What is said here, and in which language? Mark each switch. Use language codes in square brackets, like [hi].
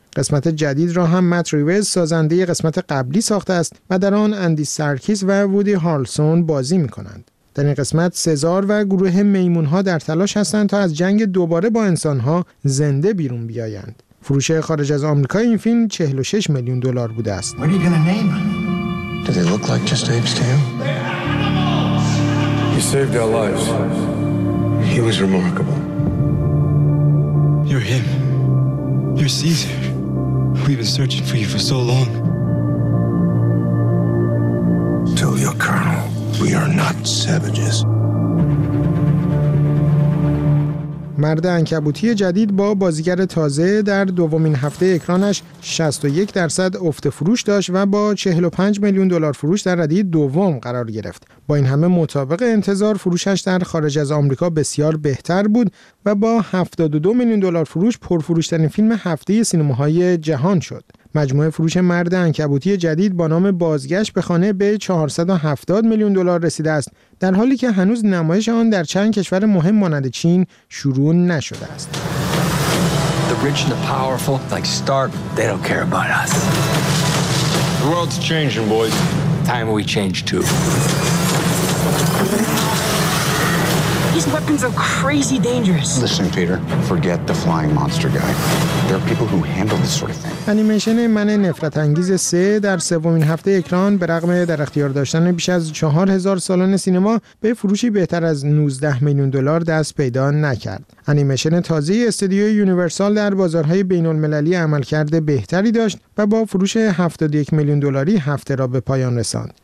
[fa] قسمت جدید را هم مت ریوز سازنده قسمت قبلی ساخته است و در آن اندی سرکیس و وودی هارلسون بازی می‌کنند. در این قسمت سزار و گروه میمون‌ها در تلاش هستند تا از جنگ دوباره با انسان‌ها زنده بیرون بیایند. فروش خارج از آمریکا این فیلم 46 میلیون دلار بوده است. [en] Do they look like just apes to you? He saved our lives. He was remarkable. You're him. You're Caesar. We've been searching for you for so long. Tell your colonel we are not savages. [fa] مرد عنکبوتی جدید با بازیگر تازه در دومین هفته اکرانش 61% افت فروش داشت و با 45 میلیون دلار فروش در ردیه دوم قرار گرفت. با این همه مطابق انتظار فروشش در خارج از آمریکا بسیار بهتر بود و با 72 میلیون دلار فروش پرفروش‌ترین فیلم هفته سینماهای جهان شد. مجموعه فروش مرد عنکبوتی جدید با نام بازگشت به خانه به 470 میلیون دلار رسیده است، در حالی که هنوز نمایش آن در چند کشور مهم مانند چین شروع نشده است. [en] The rich and the powerful like Stark, they don't care about us. The world's changing, boys. Time we change too. These weapons are crazy dangerous. Listen, Peter, forget the flying monster guy. There are people who handle this sort of thing. [fa] انیمیشن من نفرت انگیز 3 در سومین هفته اکران به رغم در اختیار داشتن بیش از 4000 سالن سینما به فروشی بهتر از 19 میلیون دلار دست پیدا نکرد. انیمیشن تازه استودیوی یونیورسال در بازارهای بین المللی عمل کرده بهتری داشت و با فروش 71 میلیون دلاری هفته را به پایان رساند.